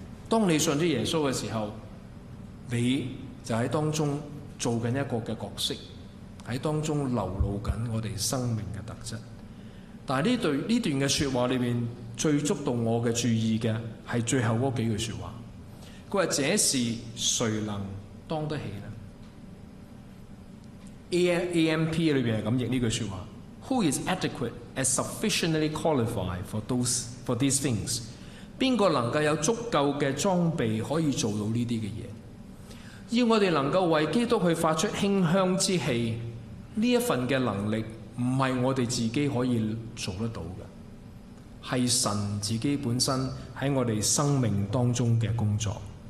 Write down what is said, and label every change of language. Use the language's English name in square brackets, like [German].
[Chinese] 當你信了耶穌的時候，你就在當中做一個的角色，在當中流露著我們生命的特質。但是這段的說話裡面最觸動我的注意的是最後那幾句說話，他說這是誰能當得起呢？ [English] AMP [Chinese] 裡面是這樣譯這句說話， [English] Who is adequate and sufficiently qualified for these things？ [Chinese] 誰能夠有足夠的裝備可以做到這些事情？要我們能夠為基督去發出馨香之氣，這一份的能力不是我們自己可以做得到的，是神自己本身在我們生命當中的工作。